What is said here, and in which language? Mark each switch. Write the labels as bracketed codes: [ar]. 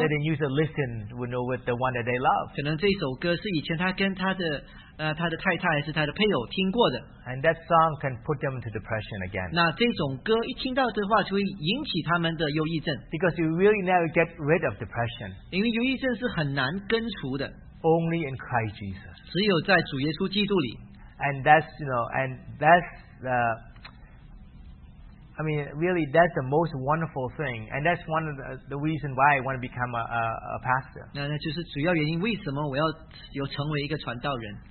[en] They didn't usually listen, with the one that they love. [zh] 可能这首歌是以前他跟他的 他的太太还是他的配偶听过的。 [en] And that song can put them into depression again. [zh] 那这种歌一听到的话，就会引起他们的忧郁症。 [en] Because you really never get rid of depression. [zh] 因为忧郁症是很难根除的。 [en] Only in Christ Jesus. [zh] 只有在主耶稣基督里。 [en] And that's, that's the most wonderful thing. And that's one of the reason why I want to become a pastor. [zh] 那就是主要原因为什么我要成为一个传道人。